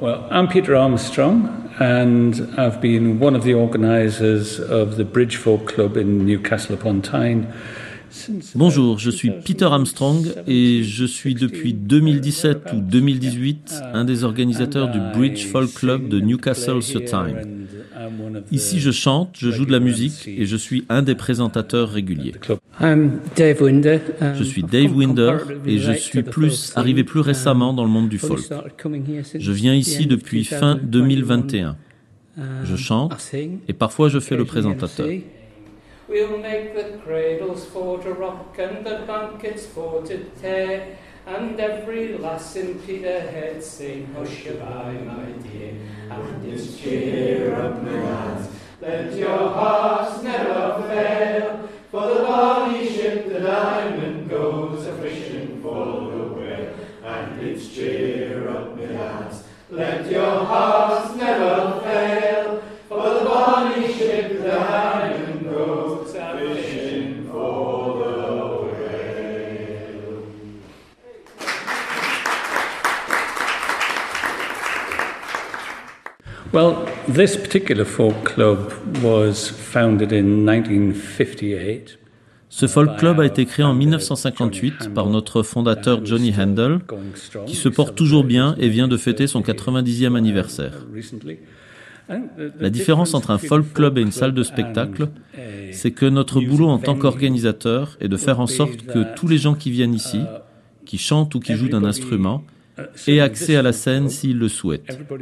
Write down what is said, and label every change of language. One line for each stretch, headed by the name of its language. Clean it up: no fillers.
English: I'm Peter Armstrong, and I've been one of the organizers of the Bridge Folk Club in Newcastle upon Tyne.
French: Bonjour, je suis Peter Armstrong et je suis depuis 2017 ou 2018 un des organisateurs du Bridge Folk Club de Newcastle sur Tyne. Ici, je chante, je joue de la musique et je suis un des présentateurs réguliers. Je suis Dave Winder et je suis arrivé plus récemment dans le monde du folk. Je viens ici depuis fin 2021. Je chante et parfois je fais le présentateur.
English: We'll make the cradles for to rock and the blankets for to tear, and every lass in Peterhead sing hush-a-bye, my dear, and it's cheer up, my lads. Let your hearts never fail, for the bonny ship, the diamond, goes a-fishing for the whale, and it's cheer up, my lads. Let your hearts never fail, for the bonny ship, the diamond, well, this particular folk club was founded in 1958.
French: Ce folk club a été créé en 1958 par notre fondateur Johnny Handel, qui se porte toujours bien et vient de fêter son 90e anniversaire. La différence entre un folk club et une salle de spectacle, c'est que notre boulot en tant qu'organisateur est de faire en sorte que tous les gens qui viennent ici, qui chantent ou qui jouent d'un instrument, aient accès à la scène s'ils le souhaitent.